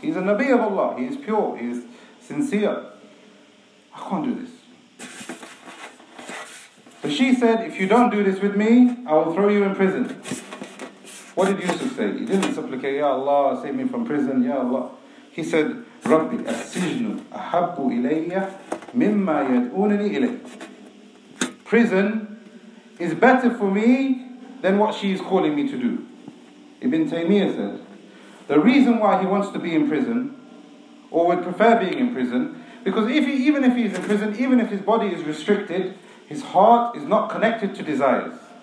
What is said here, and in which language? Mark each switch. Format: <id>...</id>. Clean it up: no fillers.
<en>He's a Nabi of Allah. He is pure. He is sincere. I can't do this. So she said, if you don't do this with me, I will throw you in prison. What did Yusuf say? He didn't supplicate, Ya Allah, save me from prison, Ya Allah. He said,</en> <ar>Rabbi, as-sijnu أحب إلي مما يدعونني إليه.</ar> <en>Prison is better for me than what she is calling me to do. Ibn Taymiyyah said, the reason why he wants to be in prison, or would prefer being in prison, because even if he is in prison, even if his body is restricted, his heart is not connected to desires.</en>